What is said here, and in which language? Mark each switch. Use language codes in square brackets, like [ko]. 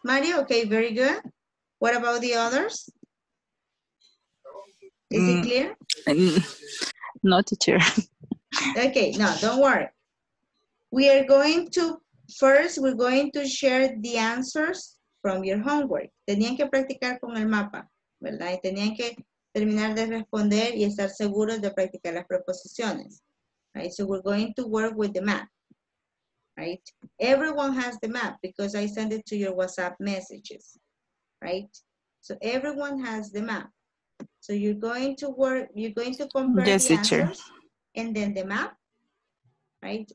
[en] Mario. Okay, very good. What about the others? Is it clear? No, teacher. Okay, no, don't worry. We are going to first, we're going to share the answers from your homework. [es] Tenían que practicar con el mapa, ¿verdad? Y tenían que terminar de responder y estar seguros de practicar las preposiciones. [en] Right? So we're going to work with the map. Right? Everyone has the map because I send it to your WhatsApp messages, right? So everyone has the map. So you're going to work, you're going to compare the answers and then the map, right?